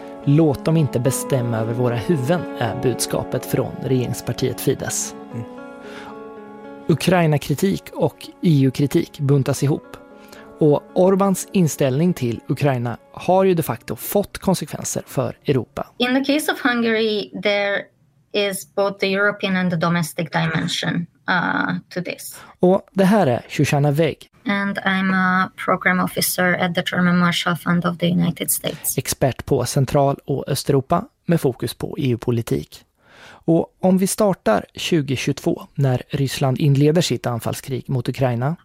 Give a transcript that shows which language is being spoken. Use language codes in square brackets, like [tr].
[sv] Låt dem inte bestämma över våra huvuden är budskapet från regeringspartiet Fidesz. Ukraina-kritik och EU-kritik buntas ihop. Och Orbáns inställning till Ukraina har ju de facto fått konsekvenser för Europa. [en] In the case of Hungary, there is both the European and the domestic dimension to this. [sv] Och det här är Shoshana Weg. [en] And I'm a program officer at the German Marshall Fund of the United States. [sv] Expert på Central- och Östeuropa med fokus på EU-politik. Och om vi startar 2022 när Ryssland inleder sitt anfallskrig mot Ukraina.